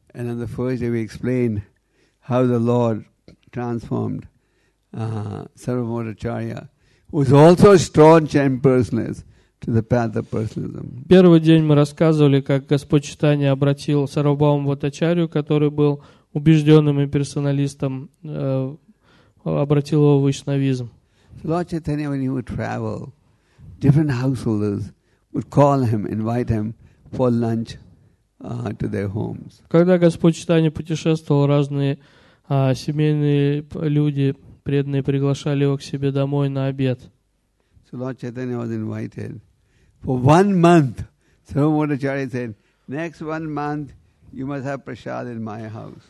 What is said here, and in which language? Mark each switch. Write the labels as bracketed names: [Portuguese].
[English] And on the first day we explained how the Lord transformed Сарвабхаума Бхаттачарья, who was also a staunch impersonalist, to the path of personalism. [Russian] Первый день мы рассказывали, как Господь Читания обратил Сарвабхаума Бхаттачарью, который был убежденным имперсоналистом обратил его в вайшнавизм. [English] Lord Chaitanya, when he would travel, different householders would call him, invite him for lunch to their homes. [Russian] Когда Господь Читания путешествовал, разные семейные люди, преданные, приглашали его к себе домой на обед. [English] So Lord Chaitanya was invited for 1 month. Сарвабхаума said, next 1 month you must have prasad in my house.